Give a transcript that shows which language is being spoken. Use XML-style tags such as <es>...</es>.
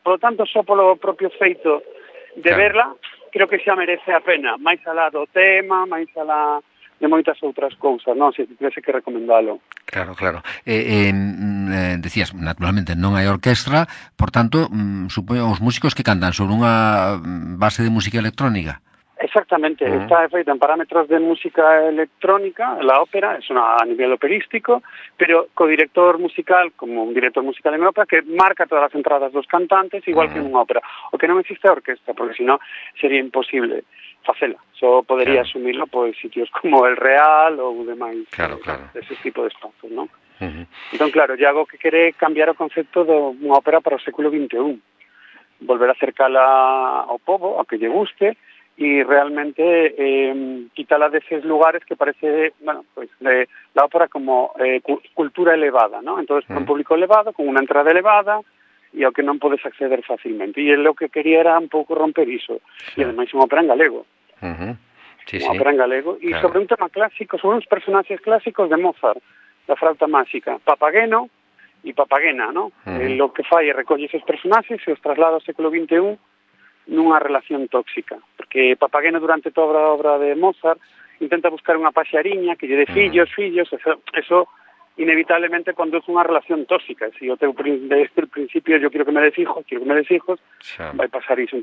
<es>Por lo tanto,</es> <gl>só polo propio feito de verla, creo que xa merece a pena, máis alá do tema, máis alá de moitas outras cousas, non? Se tivese que recomendalo. Claro, claro. Decías, naturalmente, non hai orquestra, por tanto, supoño, os músicos que cantan sobre unha base de música electrónica.</gl> <es>Exactamente, está feita en parámetros de música electrónica, la ópera, es una, a nivel operístico, pero codirector musical, como un director musical en ópera, que marca todas las entradas</es> <gl>dos cantantes,</gl> <es>igual que en una ópera.</es> <gl>O que non existe orquesta, porque si no sería imposible facela. Só podería asumirlo pues, sitios como El Real o demais, ese tipo de espazos, ¿no? Entón, claro, ya algo que quere cambiar o concepto de</gl> <es>una ópera</es> <gl>para o século XXI.</gl> <es>Volver a acercarla</es> <gl>ao povo, a que lle guste,</gl> <es>y realmente quítala de esos lugares que parece, bueno, pues de la ópera como cultura elevada, ¿no? Entonces, con un público elevado, con una entrada elevada, y aunque no puedes acceder fácilmente. Y él lo que quería era un poco romper eso. Sí. Y además es una ópera en galego. Una ópera en galego. Y sobre un tema clásico, sobre unos personajes clásicos de Mozart, la flauta mágica, Papageno y Papagena, ¿no? Lo que fai es recoge esos personajes, se los traslada al</es> <gl>século XXI, nunha relación tóxica, porque Papageno durante toda a obra de Mozart intenta buscar unha paxariña que lle dé fillos, eso inevitablemente conduce unha relación tóxica. Se eu tengo desde o principio</gl> <es>yo quero que me des hijos,</es> <gl>vai pasar iso.</gl>